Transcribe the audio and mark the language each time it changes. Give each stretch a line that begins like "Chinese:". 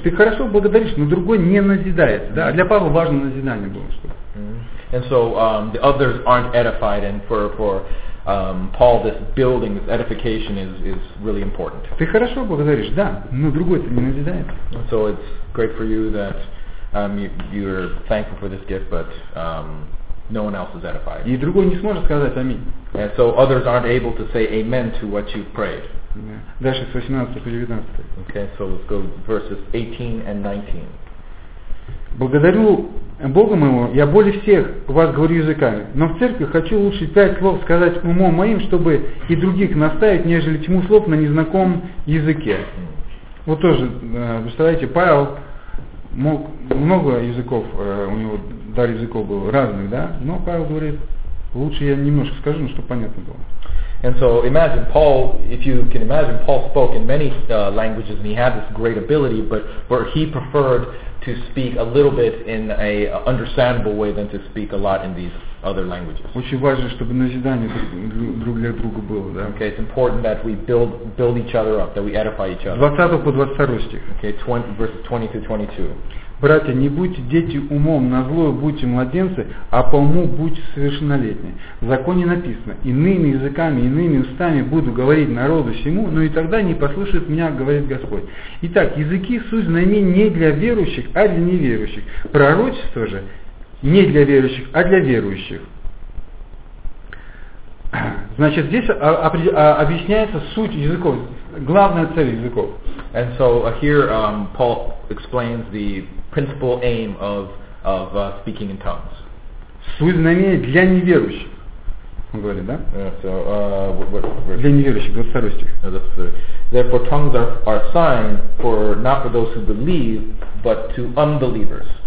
Russian: Ты хорошо благодаришь, но другой не назидает. Да? Для Павла важно назидание было. Что...
English: And so the others aren't edified, and for Paul this building, this edification is really important.
Russian: Ты хорошо благодаришь, да, но другой-то не назидает.
English: So it's great for you that you're thankful for this gift, but no one else is edified.
Russian: И другой не сможет сказать аминь.
English: And so others aren't able to say amen to what you prayed. Yeah.
Russian: Дальше с 18 по 19.
English: Okay, so let's go verses 18 and 19.
Russian: Благодарю Бога моего, я более всех вас говорю языками, но в церкви хочу лучше 5 слов сказать умом моим, чтобы и других наставить, нежели тьму слов на незнакомом языке. Вот тоже, представляете, Павел мог много языков, у него дар языков был разных, да? Но Павел говорит, лучше я немножко скажу, ну, чтобы понятно было.
English: And so imagine Paul, if you can imagine, Paul spoke in many languages and he had this great ability, but where he preferred to speak a little bit in a understandable way than to speak a lot in these other languages.
Russian: Очень важно, чтобы назидание друг для друга было, да?
English: Okay, it's important that we build each other up, that we edify each other.
Russian: 20 по 22 стих.
English: Okay, verses 20-22.
Russian: Братья, не будьте дети умом, на злое будьте младенцы, а по уму будьте совершеннолетние. В законе написано, иными языками, иными устами буду говорить народу всему, но и тогда не послушает меня, говорит Господь. Итак, языки суть знамений не для верующих, а для неверующих. Пророчество же не для верующих, а для верующих. Значит, здесь объясняется суть языков, главная цель языков.
English: And so here Paul explains the principal aim of speaking in tongues.
Russian: Суть знамения для неверующих. Он говорит, да? Для неверующих, 22 стих.
English: Therefore tongues are a sign for not for those who believe, but to unbelievers.